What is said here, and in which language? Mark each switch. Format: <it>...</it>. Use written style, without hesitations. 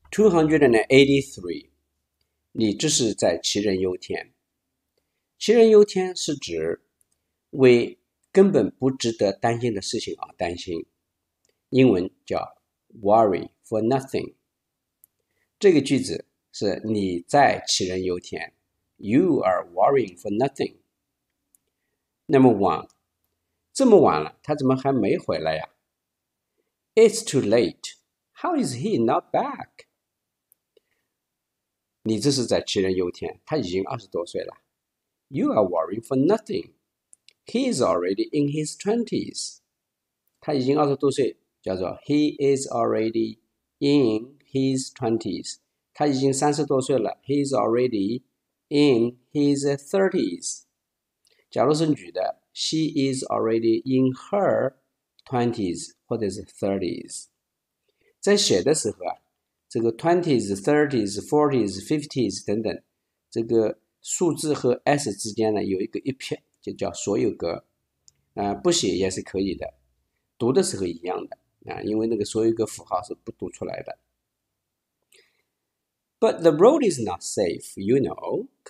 <zh>283, 你这是在杞人忧天。杞人忧天是指 为根本不值得担心的事情而担心，英文叫</zh> <en>worry for nothing。</en> <zh>这个句子是你在杞人忧天 ，</zh> <en>You are worrying for nothing. Number one，</en> <zh>这么晚了，他怎么还没回来呀？</zh> <en>It's too late. How is he not back？</en> <zh>你这是在杞人忧天，他已经20多岁了。</zh> <en>You are worrying for nothing。 He is already in his 20s.</en> <zh>他已经20多岁，叫做</zh> <en>He is already in his 20s.</en> <zh>他已经30多岁了。</zh> <en>He is already in his 30s.</en> <zh>假如是女的，</zh> <en>She is already in her 20s</en> <zh>或者是 30s. 在写的时候啊， 这个 20s, 30s, 40s, 50s 等等， 这个数字和 S 之间呢有一个一撇， 就叫所有格，不写也是可以的，读的时候一样的，因为那个所有格符号是不读出来的。</zh> <en>But the road is not safe, you know.</en>